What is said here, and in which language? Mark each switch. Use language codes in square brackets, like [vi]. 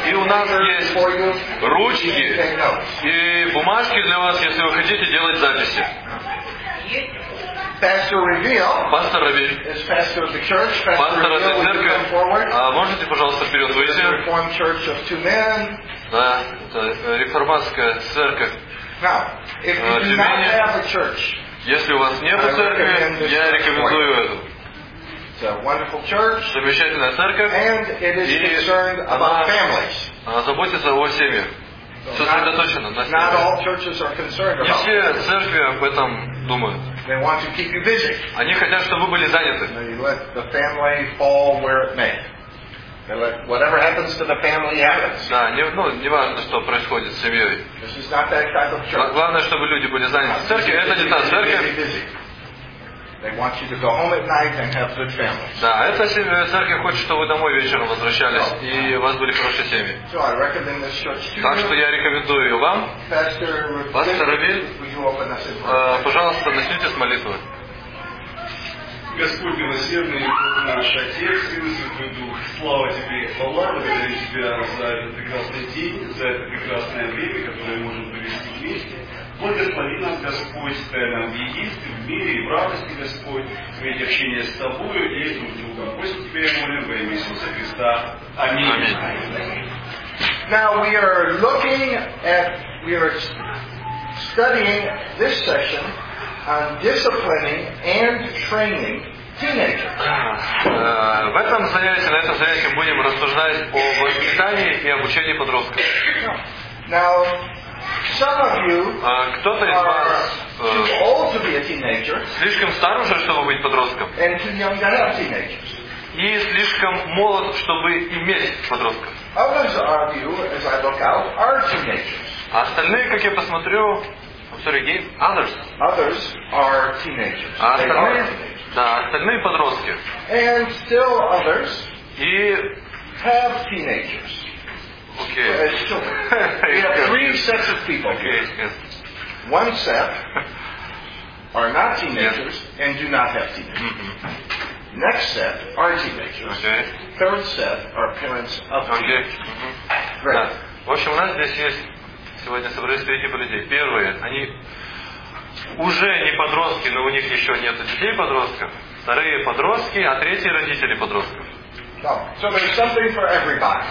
[ru] И у нас есть ручки и бумажки для вас, если вы хотите делать записи. [en] Pastor Revere is pastor of the church. Pastor Revere, would you come forward? [ru] Можете, пожалуйста, вперед выйти. [en] The Reformed Church of two men. [ru] Да, это реформатская церковь. [en] Now, if you do not have a church, [ru] если у вас нет церкви, я рекомендую эту. [en] It's a wonderful church, and it is concerned about families. [ru] Она заботится о семье. Сосредоточена на семье. [en] Not all churches are concerned about. [ru] Не все церкви об этом думают. [en] They want to keep you busy. [ru] Они хотят, чтобы вы были заняты. [en] They let the family fall where it may. They let whatever happens to the family happens. [ru] Да, не важно, что происходит с семьей. [en] This is not that type of church. [ru] Главное, чтобы люди были заняты. Церковь это не та церковь. [en] They want you to go home at night and have good families. [ru] Да, эта семья, церковь хочет, чтобы вы домой вечером возвращались и у вас были хорошие семьи. [en] So I recommend this church to you. [ru] Так что я рекомендую ее вам. Пастор Равиль, пожалуйста, начните с молитвы. Господь милосердный, Бог наш Отец, и Святой Дух, слава Тебе, хвала, благодарю Тебя за этот прекрасный день, за это прекрасное время, которое мы можем провести вместе. Благослови нас, Господь, дай нам в единстве, в мире и в радости, Господь, иметь общение с Тобою и друг с другом. Господь, Тебе молим во имя Иисуса Христа. Аминь. [en] Now we are looking at, we are studying this session on disciplining and training teenagers. [ru] В этом занятии, на этом занятии будем рассуждать о воспитании и обучении подростков. [en] Now, some of you [ru] кто-то из вас [en] too old to be a teenager, [ru] слишком стар уже, чтобы быть подростком, [en] and too young to have teenagers. [ru] И слишком молод, чтобы иметь подростков. [en] Others of you, as I look out, are teenagers. [ru] А остальные, как я посмотрю, [en] others. Others are teenagers. [ru] А остальные, [en] they are teenagers. [ru] Да, остальные подростки. [en] And still others [ru] и [en] have teenagers. Okay. We have three sets of people. Okay. Yes. One set are not teenagers, yes, and do not have teenagers. Mm-hmm. Next set are teenagers. Okay. Third set are parents of teenagers. Okay. Mm-hmm. [ru] Да. В общем, у нас здесь есть сегодня собрались три типа людей. Первые, они уже не подростки, но у них еще нет детей подростков. Вторые подростки, а третьи родители подростков. [en] So there's something for everybody.